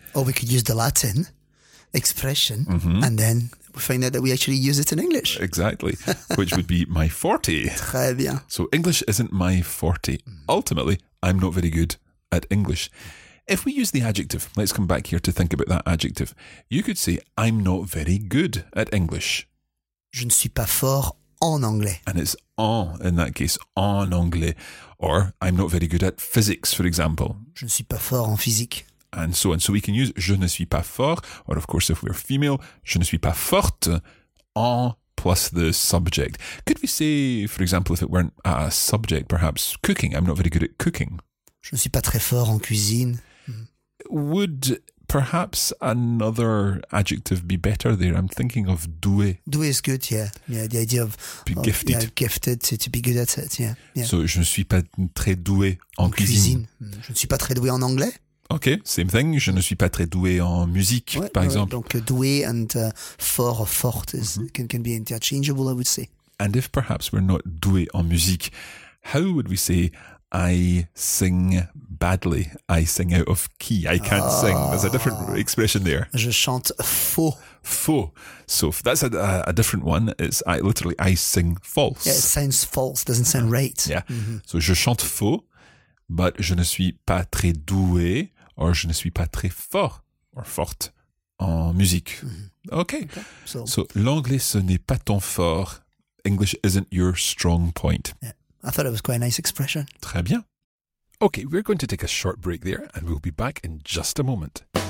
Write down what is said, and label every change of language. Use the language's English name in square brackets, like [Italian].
[English] Or we could use the Latin expression mm-hmm. and then we find out that we actually use it in English. Exactly, which would be my forte. [French] Très bien. [English] So English isn't my forte. Ultimately, I'm not very good at English. If we use the adjective, let's come back here to think about that adjective. You could say, I'm not very good at English. [French] Je ne suis pas fort en anglais. [English] And it's en, in that case, [French] en anglais. [English] Or, I'm not very good at physics, for example. [French] Je ne suis pas fort en physique. [English] And so on. So we can use, [French] je ne suis pas fort. [English] Or of course, if we're female, [French] je ne suis pas forte. En plus [English] the subject. Could we say, for example, if it weren't a subject, perhaps cooking. I'm not very good at cooking. [French] Je ne suis pas très fort en cuisine. [English] Would perhaps another adjective be better there? I'm thinking of doué. Doué is good, yeah. Yeah, the idea of gifted. Yeah, gifted, to be good at it, yeah. Yeah. [French] So je ne suis pas très doué en cuisine. Je ne suis pas très doué en anglais. [English] Ok, same thing. [French] Je ne suis pas très doué en musique, ouais, par exemple. Donc doué [English] and fort or forte mm-hmm. can be interchangeable, I would say. And if perhaps we're not [French] doué en musique, [English] how would we say I sing badly. I sing out of key. I can't sing. There's a different expression there. [French] Je chante faux. Faux. [English] So that's a different one. It's literally I sing false. Yeah, it sounds false. Doesn't sound right. Yeah. Mm-hmm. [French] So je chante faux, but je ne suis pas très doué or je ne suis pas très fort or forte en musique. [English] Mm-hmm. Okay. So [French] l'anglais, ce n'est pas ton fort. [English] English isn't your strong point. Yeah. I thought it was quite a nice expression. [French] Très bien. [English] Okay, we're going to take a short break there and we'll be back in just a moment.